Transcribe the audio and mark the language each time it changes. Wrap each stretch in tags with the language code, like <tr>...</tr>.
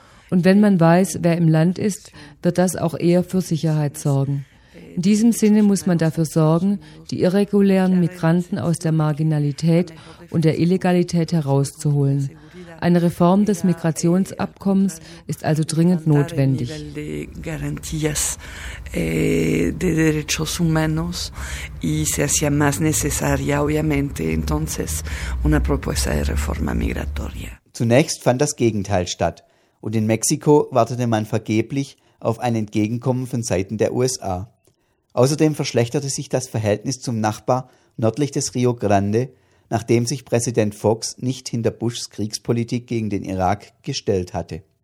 <de>Und wenn man weiß, wer im Land ist, wird das auch eher für Sicherheit sorgen. In diesem Sinne muss man dafür sorgen, die irregulären Migranten aus der Marginalität und der Illegalität herauszuholen. Eine Reform des Migrationsabkommens ist also dringend notwendig.</de> <es>Garantías de derechos humanos y se hacía más necesaria obviamente entonces una propuesta de reforma migratoria.</es> <de>Zunächst fand das Gegenteil statt und in Mexiko wartete man vergeblich auf ein Entgegenkommen von Seiten der USA. Außerdem verschlechterte sich das Verhältnis zum Nachbar nördlich des Rio Grande, nachdem sich Präsident Fox nicht hinter Bushs Kriegspolitik gegen den Irak gestellt hatte.</de>